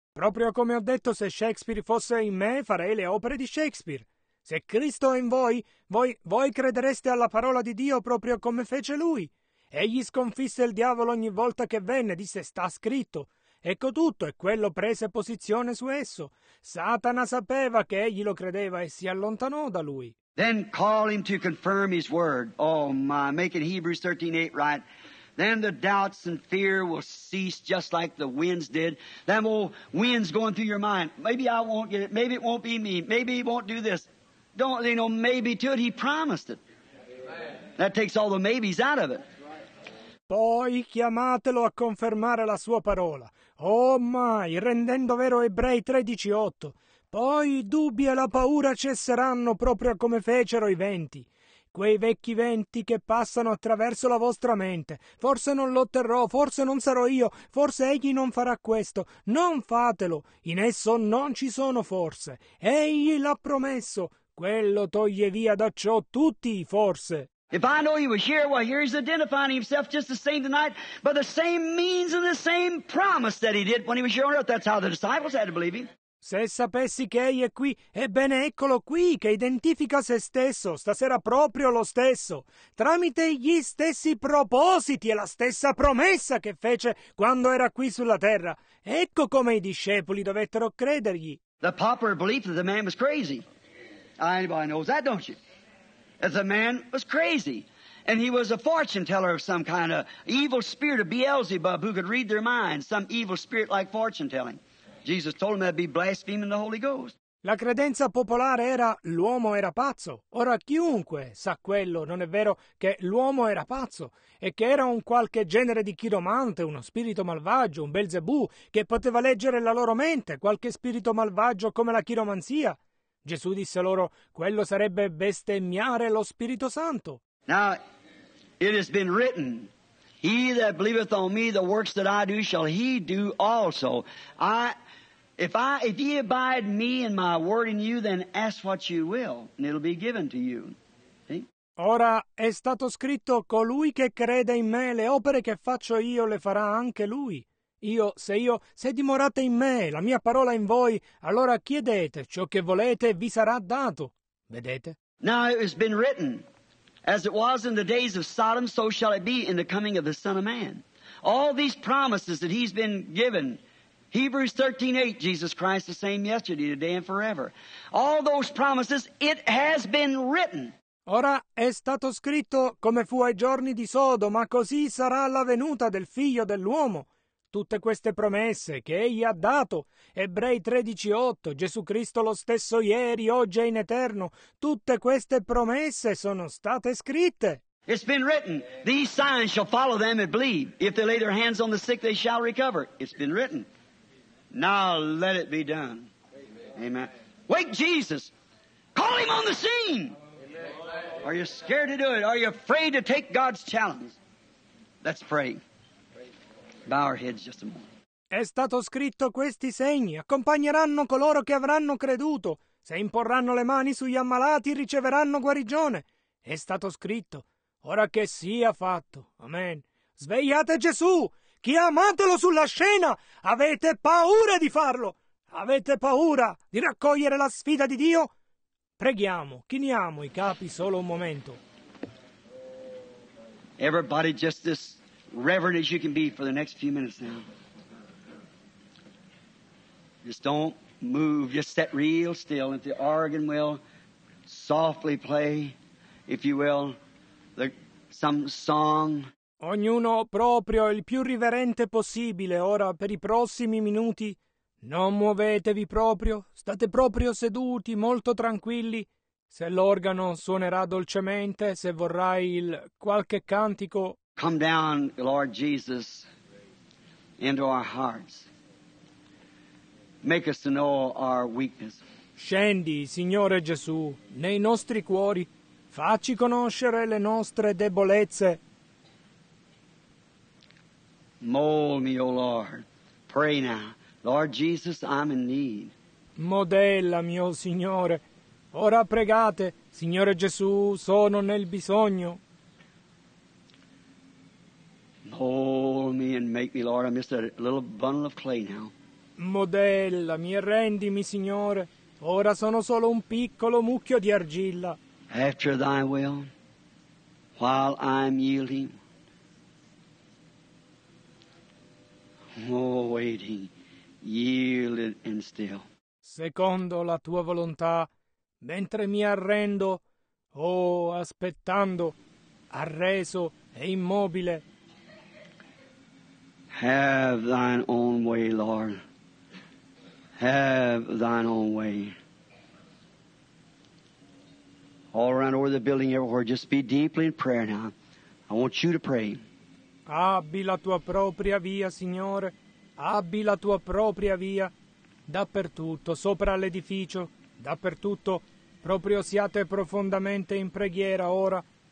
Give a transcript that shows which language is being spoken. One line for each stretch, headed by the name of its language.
Italian: Proprio come ho detto, se Shakespeare fosse in me, farei le opere di Shakespeare. Se Cristo è in voi, voi credereste alla parola di Dio proprio come fece lui. Egli sconfisse il diavolo ogni volta che venne, disse, sta scritto. Ecco tutto, e quello prese posizione su esso. Satana sapeva che egli lo credeva e si allontanò da lui.
English: Then call him to confirm his word. Oh my, make it Hebrews 13:8 right. Then the doubts and fear will cease just like the winds did. Them old winds going through your mind. Maybe I won't get it. Maybe it won't be me. Maybe he won't do this. Don't, you know, maybe to it. He promised it. That takes all the maybes out of it.
Italian: Poi chiamatelo a confermare la sua parola. Oh mai, rendendo vero Ebrei 13:8. Poi i dubbi e la paura cesseranno proprio come fecero i venti. Quei vecchi venti che passano attraverso la vostra mente. Forse non lo otterrò, forse non sarò io, forse egli non farà questo. Non fatelo, in esso non ci sono forse. Egli l'ha promesso, quello toglie via da ciò tutti i forse.
English: If I know he was here, well, here he's identifying himself just the same tonight by the same means and the same promise that he did when he was here on earth. That's how the disciples had to believe him.
Italian: Se sapessi che egli è qui, ebbene eccolo qui, che identifica se stesso, stasera proprio lo stesso, tramite gli stessi propositi e la stessa promessa che fece quando era qui sulla terra. Ecco come i discepoli dovettero credergli.
English: The popular belief that the man was crazy. Anybody knows that, don't you? That the man was crazy. And he was a fortune teller of some kind, of evil spirit of Beelzebub who could read their minds, some evil spirit like fortune telling. Jesus told him that'd be blaspheming the Holy Ghost.
Italian: La credenza popolare era l'uomo era pazzo. Ora chiunque sa quello, non è vero che l'uomo era pazzo e che era un qualche genere di chiromante, uno spirito malvagio, un Belzebù che poteva leggere la loro mente, qualche spirito malvagio come la chiromanzia. Gesù disse loro, quello sarebbe bestemmiare lo Spirito Santo.
English: Now it has been written, he that believeth on me, the works that I do shall he do also. If ye abide me and my word in you, then ask what you will, and it'll be given to you. See?
Italian: Ora è stato scritto, colui che crede in me, le opere che faccio io le farà anche lui. Se dimorate in me, la mia parola in voi, allora chiedete ciò che volete e vi sarà dato. Vedete?
English: Now it has been written, as it was in the days of Sodom, so shall it be in the coming of the Son of Man. All these promises that he's been given, Hebrews 13:8, Jesus Christ the same yesterday, today and forever. All those promises, it has been written.
Italian: Ora è stato scritto come fu ai giorni di Sodoma, così sarà la venuta del Figlio dell'uomo. Tutte queste promesse che egli ha dato, Ebrei 13:8, Gesù Cristo lo stesso ieri, oggi e in eterno, tutte queste promesse sono state scritte.
English: It's been written, these signs shall follow them that believe. If they lay their hands on the sick, they shall recover. It's been written. Now let it be done. Amen. Wake Jesus. Call him on the scene. Are you scared to do it? Are you afraid to take God's challenge? Let's pray. Bow our heads just a moment.
Italian: È stato scritto, questi segni accompagneranno coloro che avranno creduto. Se imporranno le mani sugli ammalati, riceveranno guarigione. È stato scritto. Ora che sia fatto. Amen. Svegliate Gesù! Chiamatelo sulla scena! Avete paura di farlo! Avete paura di raccogliere la sfida di Dio? Preghiamo, chiniamo i capi solo un momento.
English: Everybody just this. Reverent as you can be for the next few minutes now. Just don't move. Just sit real still. If the organ will softly play, if you will, some song.
Italian: Ognuno proprio il più riverente possibile ora per i prossimi minuti. Non muovetevi proprio. State proprio seduti, molto tranquilli. Se l'organo suonerà dolcemente, se vorrai il qualche cantico.
English: Come down, Lord Jesus, into our hearts. Make us to know our weakness.
Italian: Scendi, Signore Gesù, nei nostri cuori. Facci conoscere le nostre debolezze.
English: Mold me, O Lord. Pray now. Lord Jesus, I'm in need.
Italian: Modella, mio Signore. Ora pregate, Signore Gesù, sono nel bisogno.
English: Hold me and make me, Lord. I'm just a little bundle of clay now.
Italian: Modellami e rendimi, Signore. Ora sono solo un piccolo mucchio di argilla.
English: After thy will, while I'm yielding, Oh, waiting, yielded and still.
Italian: Secondo la tua volontà, mentre mi arrendo, oh, aspettando, arreso e immobile.
English: Have thine own way, Lord. Have thine own way. All around over the building, everywhere, just be deeply in prayer now. I want you to pray.
Italian: Abbi la tua propria via, Signore. Abbi la tua propria via. Dappertutto, sopra l'edificio, dappertutto, proprio siate profondamente in preghiera ora.